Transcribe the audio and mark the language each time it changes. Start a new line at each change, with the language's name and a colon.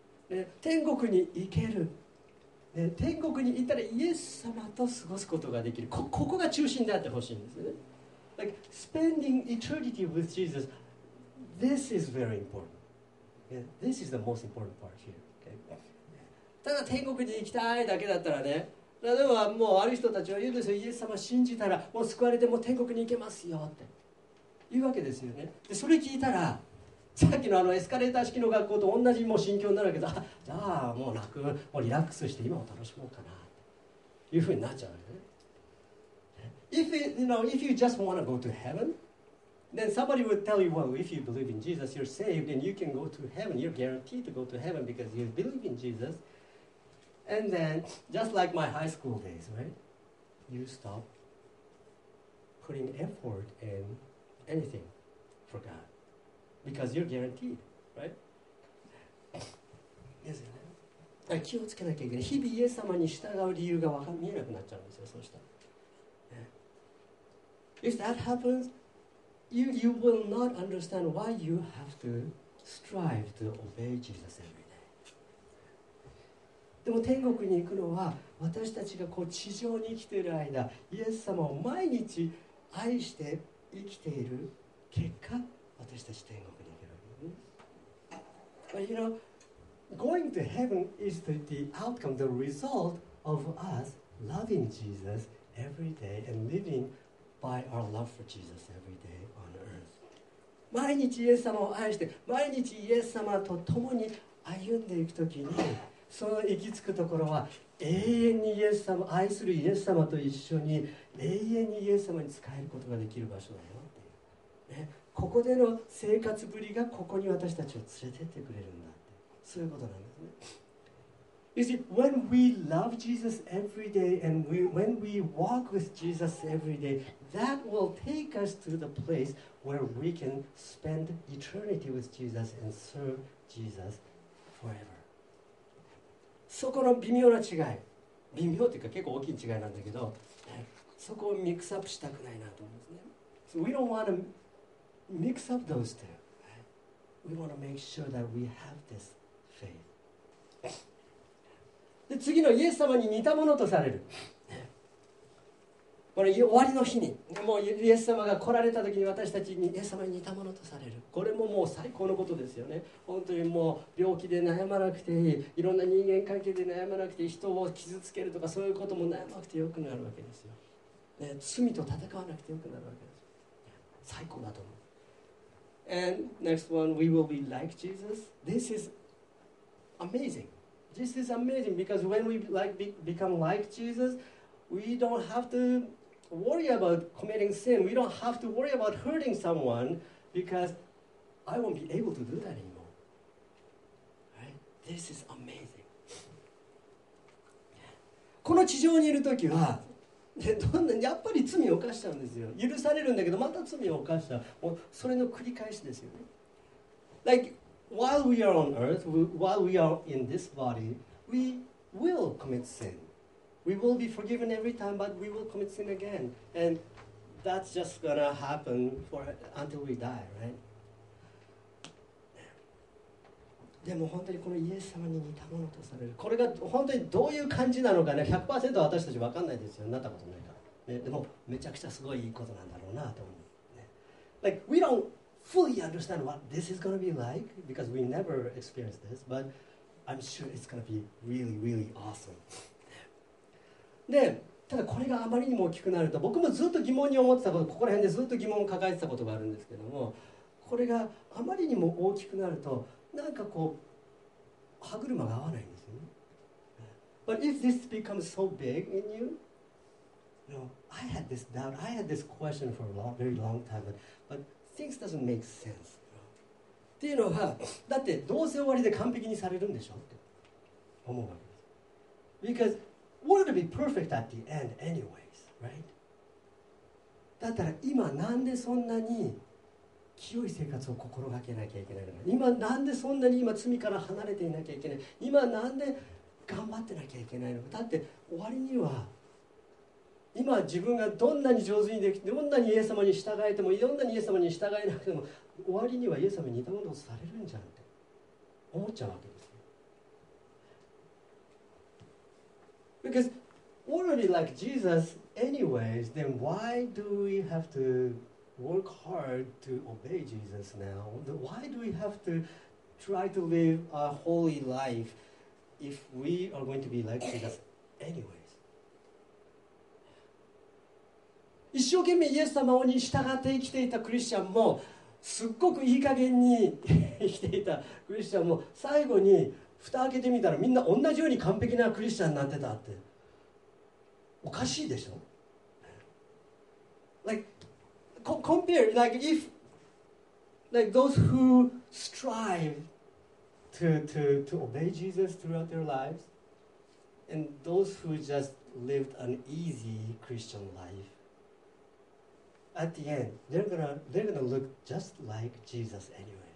Japanese: ね、天国に行ける、ね、天国に行ったらイエス様と過ごすことができる、 ここが中心であってほしいんですね。
English: Like spending eternity with Jesus, this is very important. Yeah, this is the most important part here. Okay?
Japanese: ただ天国に行きたいだけだったらね、例えばもうある人たちは言うんですよ、イエス様信じたらもう救われてもう天国に行けますよって言うわけですよね。でそれ聞いたらさっきのあのエスカレーター式の学校と同じもう心境になるけど、じゃあもう楽、もうリラックスして今を楽しもうかなというふうになっちゃうよね。
English: If you, you know, if you just want to go to heaven, then somebody would tell you, well, if you believe in Jesus, you're saved and you can go to heaven. You're guaranteed to go to heaven because you believe in Jesus. And then, just like my high school days, right? You stop putting effort in anything for God. Because you're guaranteed, right?
Japanese: ですよね。だから気をつけなきゃいけない。日々イエス様に従う理由が見えなくなっちゃうんですよ。そうしたら、ね。
English: If that happens, you will not understand why you have to strive to obey Jesus every day.
Japanese: でも天国に行くのは私たちがこう地上に生きている間、イエス様を毎日愛して生きている結果。私たち天国に行けるわけですね。
English: But you know, going to heaven is the outcome, the result of us loving Jesus every day and living by our love for Jesus every day on earth.
Japanese: 毎日イエス様を愛して毎日イエス様と共に歩んでいくときに、その行き着くところは永遠にイエス様、愛するイエス様と一緒に永遠にイエス様に仕えることができる場所だよっていう、ね、ここでの生活ぶりがここに私たちを連れてってくれるんだって、そういうことなんですね。
English: You see, when we love Jesus every day and when we walk with Jesus every day, that will take us to the place where we can spend eternity with Jesus and serve Jesus forever.
Japanese: そこの微妙な違い、微妙というか結構大きい違いなんだけど、そこをミックスアップしたくないなと思うんですね。
English: So we don't want to mix up those two. We want to make sure that we have this faith.
Japanese: で次のイエス様に似たものとされる、これ終わりの日にもうイエス様が来られた時に私たちにイエス様に似たものとされる、これももう最高のことですよね。本当にもう病気で悩まなくていい、いろんな人間関係で悩まなくていい、人を傷つけるとかそういうことも悩まなくてよくなるわけですよ、ね、罪と戦わなくてよくなるわけですよ、最高だと思う。
English: And next one, we will be like Jesus. This is amazing. This is amazing because when we like become like Jesus, we don't have to worry about committing sin. We don't have to worry about hurting someone because I won't be able to do that anymore. Right? This is amazing.
Japanese: この地上にいるときは、どんなにやっぱり罪を犯しちゃうんですよ。許されるんだけどまた罪を犯しちゃう。もうそれの繰り返しですよね。
English: Like,While we are on earth, while we are in this body, we will commit sin. We will be forgiven every time, but we will commit sin again. And that's just gonna happen for until we die, right?
Japanese: でも本当にこのイエス様に似たものとされる。これが本当にどういう感じなのかね、100% 私たち分かんないですよ。なったことないから。ね、でもめちゃくちゃすごいいいことなんだろうなと思う。ね、
English: like, we don'tfully understand what this is going to be like because we never experienced this, but I'm sure it's going to be really, really awesome.
Japanese: で、ただこれがあまりにも大きくなると、僕もずっと疑問に思ってたこと、ここら辺でずっと疑問を抱えてたことがあるんですけども、これがあまりにも大きくなると、なんかこう、歯車が合わないんですよね。
English: But if this becomes so big in you, you know, I had this doubt, I had this question for a long, very long time, but,Things doesn't make sense.
Japanese: っていうのは、だってどうせ終わりで完璧にされるんでしょって思うわけです。
English: Because we're gonna be perfect at the end anyways, right?
Japanese: だったら今なんでそんなに清い生活を心がけなきゃいけないの？今なんでそんなに今罪から離れていなきゃいけない？今なんで頑張ってなきゃいけないの？だって終わりには今自分がどんなに上手にできて、どんなにイエス様に従えても、どんなにイエス様に従えなくても、終わりにはイエス様に似たものをされるんじゃんって思っちゃうわけですよ。
English: Because already like Jesus anyways, then why do we have to work hard to obey Jesus now? Why do we have to try to live a holy life if we are going to be like Jesus anyway?
Japanese: 一生懸命イエス様に従って生きていたクリスチャンも、すっごくいい加減に生きていたクリスチャンも、最後に蓋開けてみたらみんな同じように完璧なクリスチャンになってたって、おかしいでしょ。
English: Like compare, like if like those who strive to obey Jesus throughout their lives and those who just lived an easy Christian lifeAt the end, they're gonna look just like Jesus anyways.